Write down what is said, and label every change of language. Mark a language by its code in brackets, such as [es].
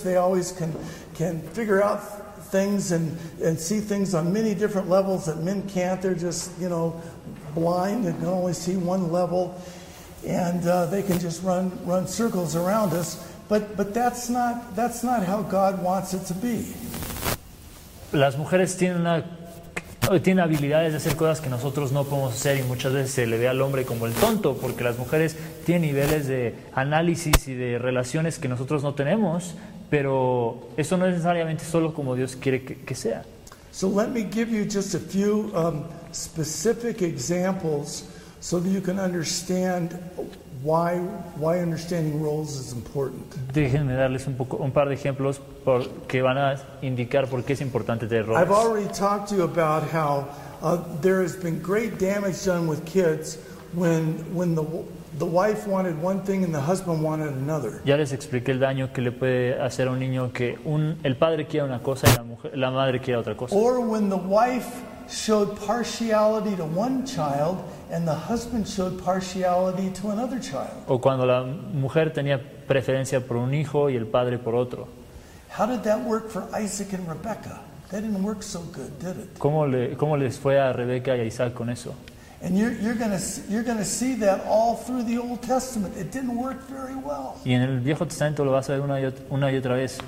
[en] They always can figure out things and see things on many different levels that men can't. They're just, you know, blind and can only see one level, and they can just run circles around us. But that's not how God wants it to be. [es] Las mujeres tienen habilidades de hacer cosas que nosotros no podemos hacer y muchas veces se le ve al hombre como el tonto porque las mujeres tienen niveles de análisis y de relaciones que nosotros no tenemos, pero eso no es necesariamente solo como Dios quiere que sea. [en] So let me give you just a few specific examples so that you can understand why understanding roles is important. [es] Déjenme darles un par de ejemplos que van a indicar por qué es importante tener roles. [en] I've already talked to you about how there has been great damage done with kids when the wife wanted one thing and the husband wanted another. [es] Ya les expliqué el daño que le puede hacer a un niño que el padre quiere una cosa y la madre quiere otra cosa. [en] Or when the wife showed partiality to one child and the husband showed partiality to another child. [es] O cuando la mujer tenía preferencia por un hijo y el padre por otro. [en] How did that work for Isaac and Rebecca? That didn't work so good, did it? [es] ¿Cómo les fue a Rebeca y a Isaac con eso? [en] And you're gonna see that all through the Old Testament. It didn't work very well. [es] Y en el Viejo Testamento lo vas a ver una y otra vez.